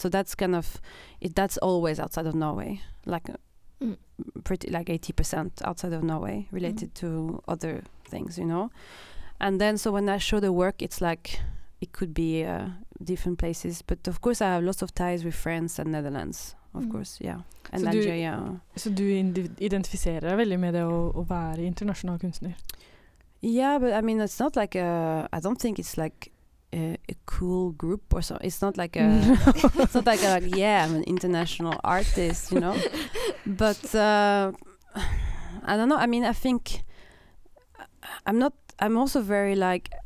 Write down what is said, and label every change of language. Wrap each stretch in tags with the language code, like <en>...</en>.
<en>So that's kind of, that's always outside of Norway, like pretty like 80% outside of Norway related to other things, you know? And then, so when I show the work, it's like, it could be different places, but of course I have lots of ties with France and Netherlands, of course, yeah. And so Nigeria.</en> <no>So du identifiserer veldig med det å være internasjonal kunstner?</no> <en>Yeah, but I mean, it's not like, I don't think it's like, a cool group or so. It's not like a. It's not like a, like, yeah, I'm an international artist, you know. But I don't know. I mean, I think I'm not. I'm also very like.</en>